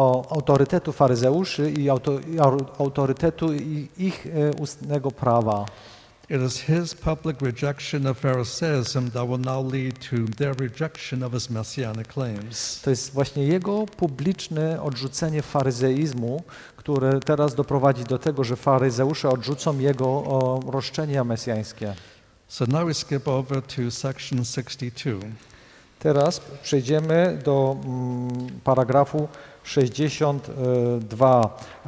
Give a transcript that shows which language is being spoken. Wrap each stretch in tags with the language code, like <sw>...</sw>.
<pl>autorytetu faryzeuszy i autorytetu ich ustnego prawa.</pl> <en>It is his public rejection of Pharisaism that will now lead to their rejection of his messianic claims.</en> <pl>To jest właśnie jego publiczne odrzucenie faryzeizmu, które teraz doprowadzi do tego, że faryzeusze odrzucą jego roszczenia mesjańskie.</pl> <en>So now we skip over to section 62.</en> <pl>Teraz przejdziemy do paragrafu 62.</pl>